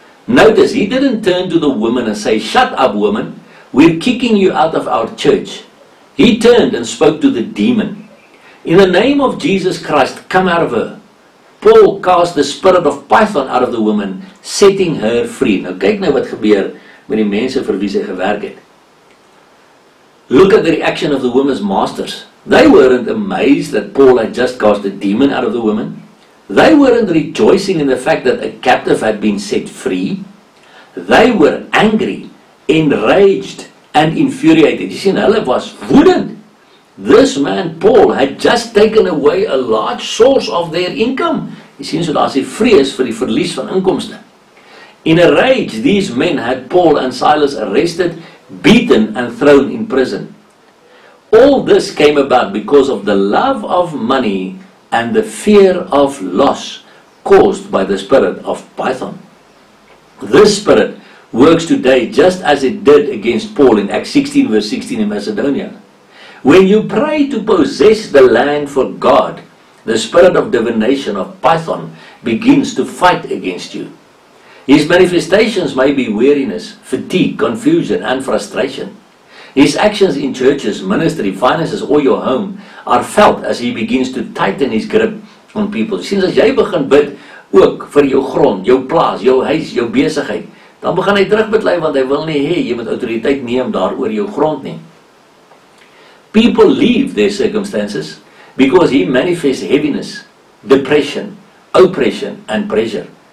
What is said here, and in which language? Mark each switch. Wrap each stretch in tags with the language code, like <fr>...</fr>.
<en>Notice, he didn't turn to the woman and say, shut up woman, we're kicking you out of our church. He turned and spoke to the demon. In the name of Jesus Christ, come out of her. Paul cast the spirit of Python out of the woman, setting her free.</en> <af>Nou kyk nou wat gebeur met die mense vir wie sy gewerk het.</af> <en>Look at the reaction of the woman's masters. They weren't amazed that Paul had just cast a demon out of the woman. They weren't rejoicing in the fact that a captive had been set free. They were angry, enraged, and infuriated. You see,</en> <af>hulle was woedend.</af> <en>This man, Paul, had just taken away a large source of their income. You see,</en> <af>so daar is die vrees vir die verlies van inkomste.</af> <en>In a rage, these men had Paul and Silas arrested, beaten, and thrown in prison. All this came about because of the love of money and the fear of loss caused by the spirit of Python. This spirit works today just as it did against Paul in Acts 16 verse 16 in Macedonia. When you pray to possess the land for God, the spirit of divination of Python begins to fight against you. His manifestations may be weariness, fatigue, confusion, and frustration. His actions in churches, ministry, finances or your home are felt as he begins to tighten his grip on people.</en> <af>Sien, as jy begin bid ook vir jou grond, jou plaas, jou huis, jou besigheid, dan begin hy terugbidlei want hy wil nie hê jy moet autoriteit neem daar oor jou grond nie.</af> <en>People leave their circumstances because he manifests heaviness, depression, oppression and pressure.</en>